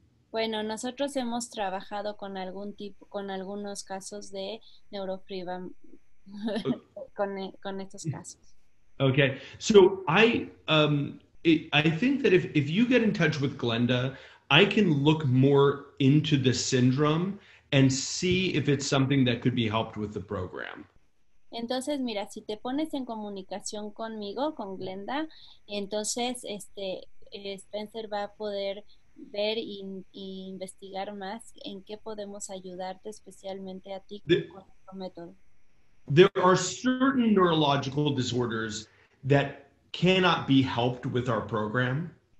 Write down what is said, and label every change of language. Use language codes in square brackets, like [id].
[es] Bueno, nosotros hemos trabajado con algún tipo, con algunos casos de neurofibromatosis, con estos casos. [en] Okay. So, I think that if you get in touch with Glenda, I can look more into the syndrome and see if it's something that could be helped with the program. [es] Entonces, mira, si te pones en comunicación conmigo, con Glenda, entonces Spencer va a poder ver y investigar más en qué podemos ayudarte especialmente a ti con nuestro método. [en] There are certain neurological disorders that cannot be helped with our program.